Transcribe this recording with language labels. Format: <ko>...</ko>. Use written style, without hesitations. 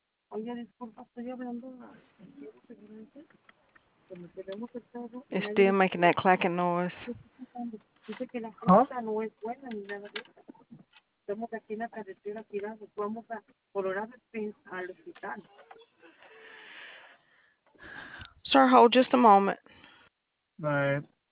<es>Oye, disculpa, estoy hablando.</es> <en>It's still making that clacking noise.</en> <es>Dice que la fruta no es buena ni nada de eso. Estamos aquí en la carretera tirando. Vamos a Colorado Springs al hospital.</es> <en>Sir, hold just a moment. All right.</en>